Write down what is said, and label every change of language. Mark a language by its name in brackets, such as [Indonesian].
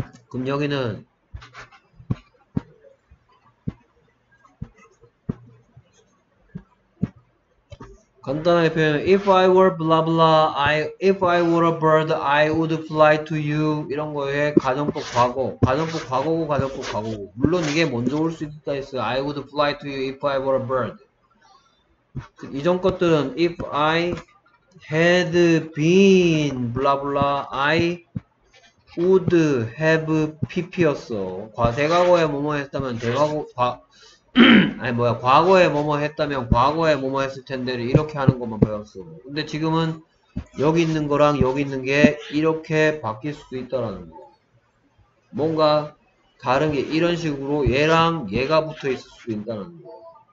[Korean] 그럼 여기는 간단하게 표현, [English] if I were blah blah, if I were a bird, I would fly to you. [Korean] 이런 거에 가정법 과거. 가정법 과거고, 가정법 과거고. 물론 이게 먼저 올 수 있다 했어요. [English] I would fly to you if I were a bird. [Korean] 이전 것들은 [English] if I had been blah blah, I would have pp [Korean] 였어. 대과거에 뭐뭐 했다면 대과거, 아니 뭐야, 과거에 뭐뭐 했다면 과거에 뭐뭐 했을 텐데를 이렇게 하는 것만 배웠어. 근데 지금은 여기 있는 거랑 여기 있는 게 이렇게 바뀔 수도 있다라는 거. 뭔가 다른 게 이런 식으로 얘랑 얘가 붙어 있을 수도 있다는 거.